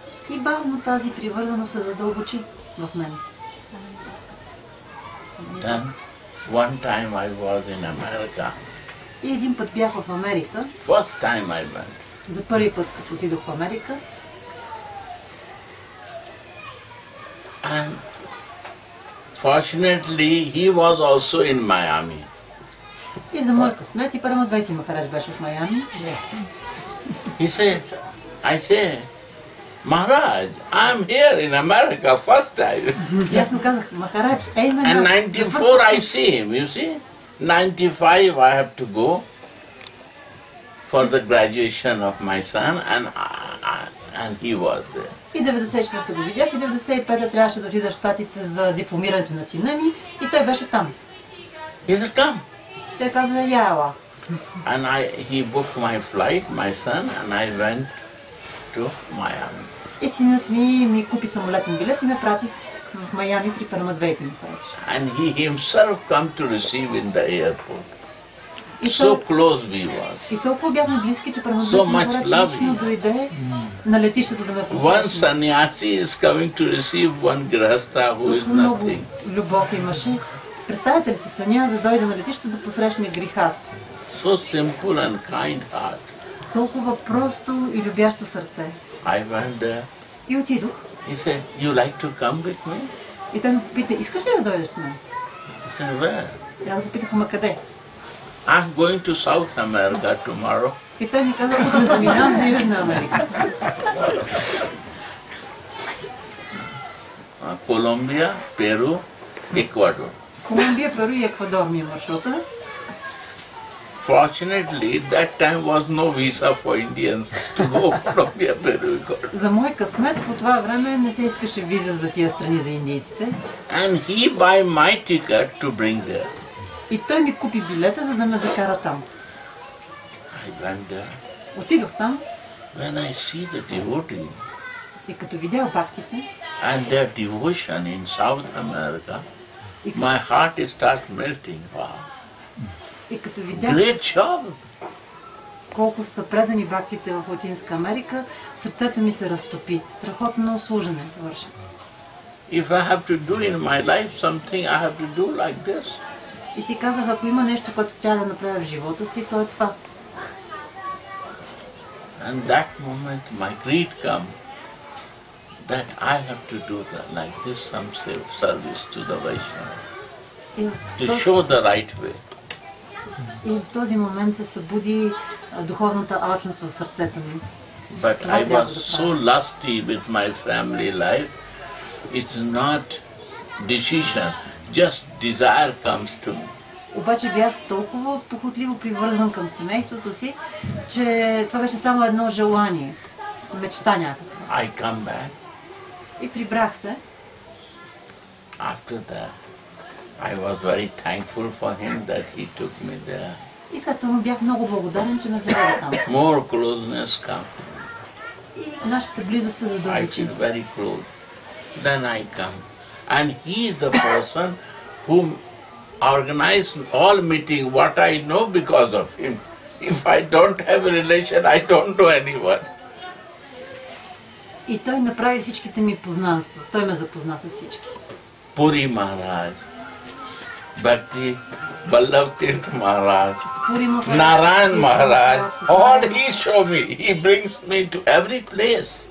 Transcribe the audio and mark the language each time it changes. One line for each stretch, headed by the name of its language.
Bulgarian: И бавно тази привързаност се задълбочи в мен.
English: Then, one time I was in America.
Bulgarian: И един път бях в Америка.
English: First time I went.
Bulgarian: За първи път като отидох в Америка.
English: And fortunately, he was also in Miami.
Bulgarian: И за моя късмет и Парамадвайти Махарадж беше в Майами.
English: He said, I say, Maharaj, I'm here in America first time.
Bulgarian: И аз му казах, Махарадж, ей ме.
English: And 94 I see him, you see. 95 I have to go for the graduation of my son and he was there.
Bulgarian: И 94-та го видях, и 95-та трябваше да отида в Штатите за дипломирането на сина ми, и той беше там.
English: He said, come.
Bulgarian: Той каза, яла.
English: And he booked my flight, my son, and I went to Miami.
Bulgarian: И синът ми ми купи самолетен билет и ме прати в Майами при Парамадвейти Махарадж.
English: And he himself come to receive in the airport. So close we were.
Bulgarian: И толкова бяхме близки, че Парамадвайти Махарадж лично дойде на летището да ме посрещне.
English: One sannyasi is coming to receive one grihastha who is nothing.
Bulgarian: Любов имаше. Представете ли се, саня да дойде на летището да посрещне грихаста?
English: So simple and kind heart.
Bulgarian: Толкова просто и любящо сърце.
English: I went there.
Bulgarian: И отидох.
English: He said, you like to come with me?
Bulgarian: И той ме попита, искаш ли да дойдеш с мен?
English: He said, where?
Bulgarian: И аз попитах, ама къде?
English: I'm going to South America tomorrow.
Bulgarian: И той ми каза, утре заминавам за Южна Америка. Колумбия, Перу, Еквадор. Колумбия, Перу и Еквадор ми е маршрута.
English: Fortunately, that time was no visa for Indians to go Colombia, Peru.
Bulgarian: За мой късмет, по това време не се искаше виза за тия страни за индийците.
English: And he buy my ticket to bring there.
Bulgarian: И той ми купи билета, за да ме закара там.
English: I went there.
Bulgarian: Отидох там.
English: When I see the devotee. И като видях бхактите. And their devotion in South America. My heart start melting. Wow.
Bulgarian: И като видях колко са предани бхактите в Латинска Америка, сърцето ми се разтопи. Страхотно служене върши.
English: If I have to do in my life something, I have to do like this.
Bulgarian: И си казах, ако има нещо, което трябва да направя в живота си, то е това.
English: And that moment my greed come that I have to do that, like this some self service to the Vaishnava. To show the right way.
Bulgarian: И в този момент се събуди духовната алчност в сърцето ми.
English: But I was so lusty with my family life. It's not decision, just desire comes to me.
Bulgarian: Обаче бях толкова похотливо привързан към семейството си, че това беше само едно желание, мечта някаква.
English: I come back.
Bulgarian: И прибрах се.
English: After that. I was very thankful for him that he took me there.
Bulgarian: И след това бях много благодарен, че ме заведе там.
English: More closeness come.
Bulgarian: И нашата близост се задълбочи.
English: I feel very close. Then I come. And he is the person who organized all meeting what I know because of him. If I don't have a relation, I don't know anyone.
Bulgarian: И той направи всичките ми познанства. Той ме запозна с всички. Пури Махарадж.
English: Bhakti, Ballav Tirtha Maharaj, Narayan Maharaj, all he show me, he brings me to every place.